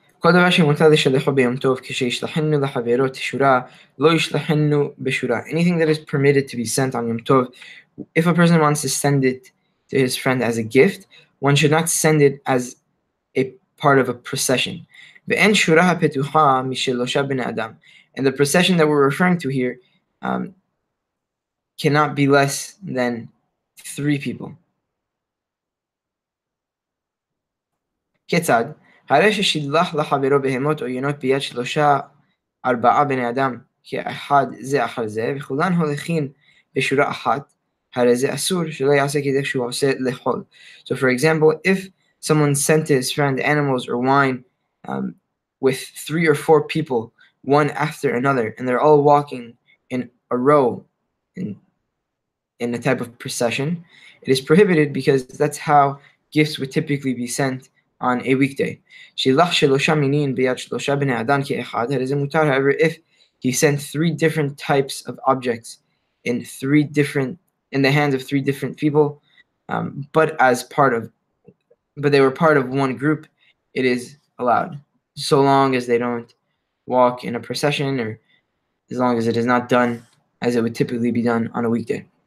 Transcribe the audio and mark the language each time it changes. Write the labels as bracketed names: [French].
[Hebrew] כל דבר שמותר לשלחו ביום טוב, כשישלחנו לחברו תשורה, לא ישלחנו בשורה. [English] Anything that is permitted to be sent on Yom Tov, if a person wants to send it to his friend as a gift, one should not send it as a part of a procession. [Hebrew] ואין שורה הפתוחה משלושה בני אדם. [English] And the procession that we're referring to here cannot be less than three people. [Hebrew] כיצד? הרי ששילח לחברו בהמות או ינות ביד שלושה ארבעה בני אדם כאחד זה אחר זה וכולן הולכים בשורה אחת, הרי זה אסור שלא יעשה כדי שהוא עושה לחול. [English] So for example, if someone sent to his friend animals or wine with three or four people, one after another, and they're all walking in a row in a type of procession, it is prohibited because that's how gifts would typically be sent on a weekday. [Hebrew] שילח שלושה מינים ביד שלושה בני אדם כאחד, הרי זה מותר. [English] However, if he sent three different types of objects in the hands of three different people, but they were part of one group, it is allowed, so long as they don't walk in a procession, or as long as it is not done as it would typically be done on a weekday.